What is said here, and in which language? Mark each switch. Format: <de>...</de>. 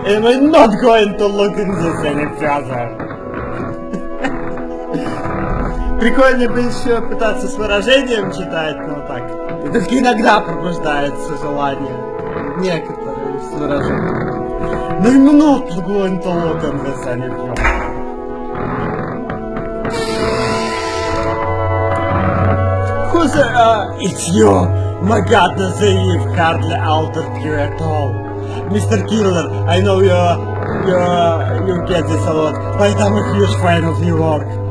<en>I'm not going to look into this any further.</en> <ru>Прикольно бы еще пытаться с выражением читать, но так. Только иногда пробуждается желание. Некоторые с выражением.</ru> <en>I'm not going to look into this any further. It's you! My god, Nazeev, hardly altered you at all. Mr. Killer, I know you get this a lot, but I'm a huge fan of your work.</en>